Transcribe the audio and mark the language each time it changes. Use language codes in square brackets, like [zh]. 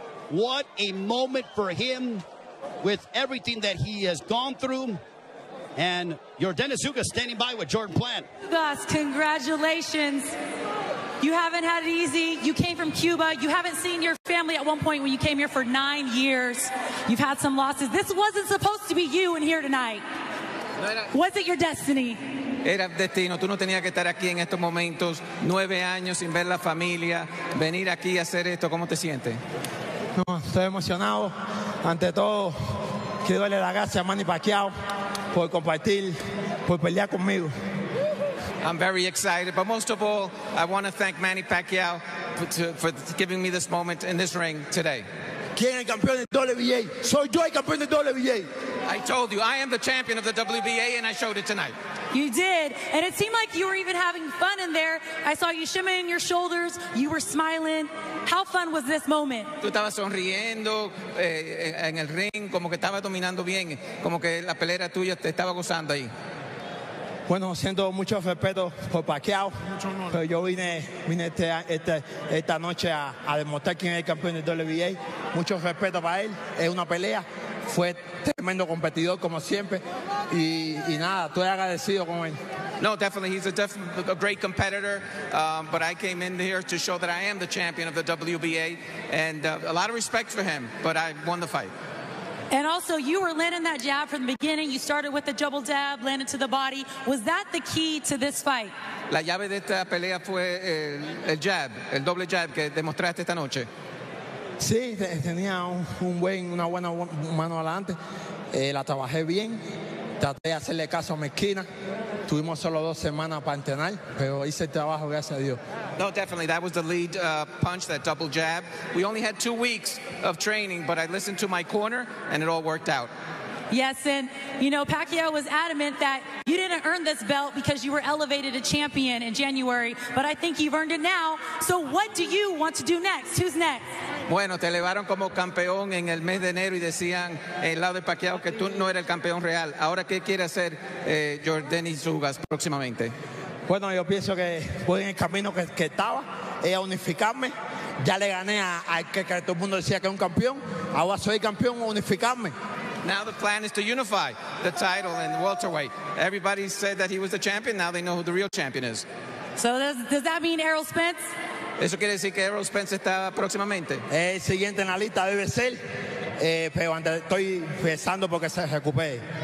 [en] What a moment for him. With everything that he has gone through, and your Dennis Ugas standing by with Jordan Plant. Ugas, congratulations. You haven't had it easy. You came from Cuba. You haven't seen your family at one point when you came here for 9 years. You've had some losses. This wasn't supposed to be you in here tonight. Was it your destiny? [es] Era destino, tú no tenías que estar aquí en estos momentos, 9 años sin ver la familia, venir aquí a hacer esto, ¿cómo te sientes? No, estoy emocionado. Ante todo, quiero darle las gracias a Manny Pacquiao por compartir, por pelear conmigo. [en] I'm very excited, but most of all, I want to thank Manny Pacquiao for giving me this moment in this ring today. [es] ¿Quién es campeón del WBA? Soy yo el campeón del WBA. [en] I told you, I am the champion of the WBA, and I showed it tonight. You did, and it seemed like you were even having fun in there. I saw you shimmying your shoulders, you were smiling. How fun was this moment? [es] Tú estabas sonriendo en el ring, como que estabas dominando bien, como que la pelea tuya te estaba gozando ahí. Bueno, siento mucho respeto por Pacquiao, mucho honor. Pero yo vine esta noche a demostrar quién es el campeón del WBA. Mucho respeto para él, es una pelea. Fue tremendo competidor, como siempre, y nada, estoy agradecido con él. [en] No, definitely, he's a great competitor, but I came in here to show that I am the champion of the WBA, and a lot of respect for him, but I won the fight. And also, you were landing that jab from the beginning. You started with the double jab, landed to the body. Was that the key to this fight? [es] La llave de esta pelea fue el jab, el doble jab que demostraste esta noche. Sí, tenía una buena mano adelante. La trabajé bien. Traté de hacerle caso a mi esquina. Tuvimos solo 2 semanas para entrenar, pero hice el trabajo, gracias a Dios. [en] No, definitely. That was the lead punch, that double jab. We only had 2 weeks of training, but I listened to my corner, and it all worked out. Yes, and, you know, Pacquiao was adamant that you didn't earn this belt because you were elevated to champion in January, but I think you've earned it now. So what do you want to do next? Who's next? [es] Bueno, te elevaron como campeón en el mes de enero y decían en el lado de Pacquiao que tú no eras el campeón real. Ahora, ¿qué quiere hacer Dennis Ugas próximamente? Bueno, yo pienso que voy en el camino que estaba, a unificarme. Ya le gané al que todo el mundo decía que es un campeón. Ahora soy campeón, unificarme. [en] Now the plan is to unify the title in welterweight. Everybody said that he was the champion. Now they know who the real champion is. So does that mean Errol Spence? [es] Eso quiere decir que Errol Spence está próximamente. El siguiente en la lista debe ser, pero estoy pensando porque se recupere.